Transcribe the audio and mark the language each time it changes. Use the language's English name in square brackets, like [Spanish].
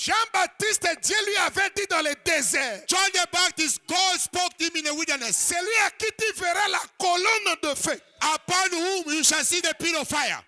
[French] Jean-Baptiste, Dieu lui avait dit dans le désert. [English] John the Baptist, God spoke to him in the wilderness. [French] C'est lui à qui tu verras la colonne de feu. [English] Upon whom you shall see the pillar of fire.